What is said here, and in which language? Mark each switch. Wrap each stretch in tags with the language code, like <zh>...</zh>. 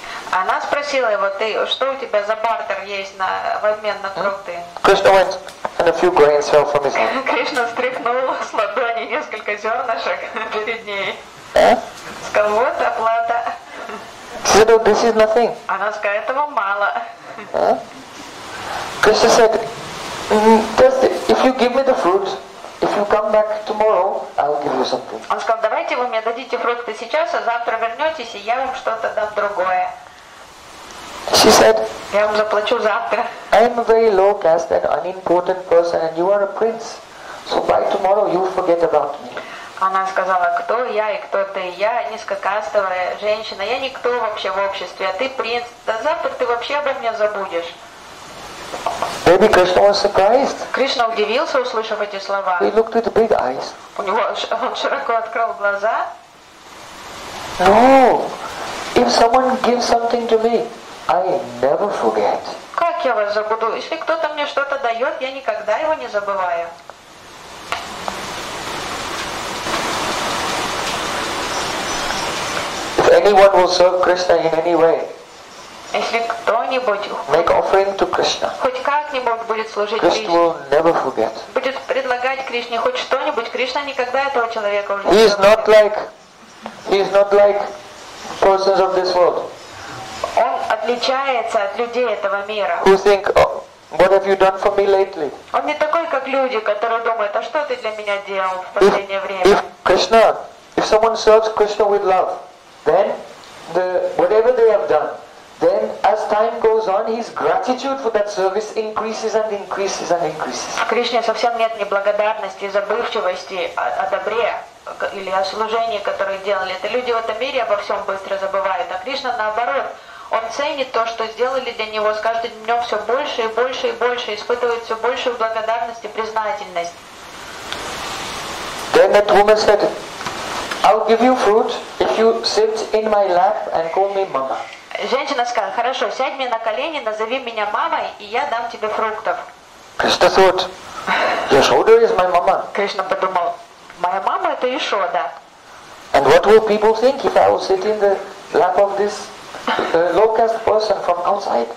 <ru>Она спросила его, ты что у тебя за бартер есть в обмен на фрукты?</ru> <en>Krishna went and a few grains fell from his hand.</en> <ru>Кришна стряхнул с ладони несколько зернышек перед ней. Сказал, вот оплата.</ru> <en>She said, this is nothing.</en> <ru>Она сказала, этого мало.</ru> <en>Krishna said, if you give me the fruit, if you come back tomorrow, I'll give you something.</en> <ru>Он сказал, давайте вы мне дадите фрукты сейчас, а завтра вернетесь, и я вам что-то дам другое.</ru> <en>She said,</en> <ru>я вам заплачу завтра.</ru> <en>I am a very low caste and unimportant person and you are a prince. So by tomorrow you forget about me.</en> <ru>Она сказала, кто я и кто ты? Я низкокастовая женщина, я никто вообще в обществе, а ты принц. Да завтра ты вообще обо мне забудешь.</ru> <en>Baby Krishna was surprised.</en> <ru>Кришна удивился, услышав эти слова.</ru> <en>He looked with big eyes.</en> <ru>У него он широко открыл глаза.</ru> <en>No. If someone gives something to me, I never forget.</en> <ru>Как я вас забуду? Если кто-то мне что-то дает, я никогда его не забываю.</ru> <en>If anyone will serve Krishna in any way,</en> <ru>если кто-нибудь</ru> <en>make offering to Krishna,</en> <ru>хоть как-нибудь будет служить</ru> <en>Krishna</en> <ru>Кришне,</ru> <en>will never forget.</en> <ru>Будет предлагать Кришне хоть что-нибудь, Кришна никогда этого человека уже не забывает.</ru> <en>He is not like persons of this world.</en> <ru>Он отличается от людей этого мира.</ru> <en>Who think, what have you done for me lately?</en> <ru>Он не такой, как люди, которые думают, а что ты для меня делал в последнее время?</ru> <en>If Krishna, if someone serves Krishna with love, then whatever they have done, then as time goes on, his gratitude for that service increases and increases and increases.</en> <ru>В Кришне совсем нет ни благодарности, ни забывчивости, а добре. Или о служении, которое делали. Это люди в этом мире обо всем быстро забывают. А Кришна наоборот. Он ценит то, что сделали для него с каждым днем все больше и больше и больше. Испытывает все большую благодарность и признательность.</ru> <en>Then that woman said, I'll give you fruit if you sit in my lap and call me mama.</en> <ru>Женщина сказала, хорошо, сядь мне на колени, назови меня мамой, и я дам тебе фруктов.</ru> <en>Krishna thought, your shoulder is my mama.</en> <ru>Кришна подумал, моя мама это Ишода.</ru> <en>And what will people think if I will sit in the lap of this low caste person from outside?</en>